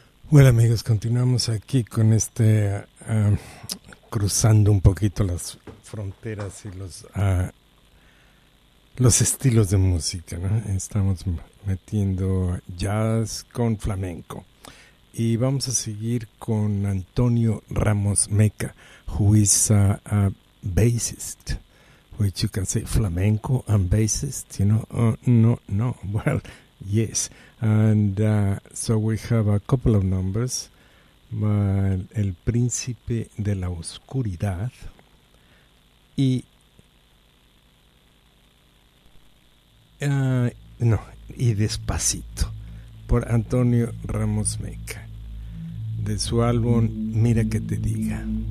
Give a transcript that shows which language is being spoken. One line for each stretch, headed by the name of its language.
Spanish: Bueno, amigos, continuamos aquí con este cruzando un poquito las fronteras y los estilos de música, ¿no? Estamos metiendo jazz con flamenco. Y vamos a seguir con
English: Antonio Ramos Meca, who is a bassist, which you can say flamenco and bassist, you know. Yes. And so we have a couple of numbers.
Spanish: El Príncipe de la Oscuridad y y Despacito por Antonio Ramos Meca, de su álbum Mira que te diga.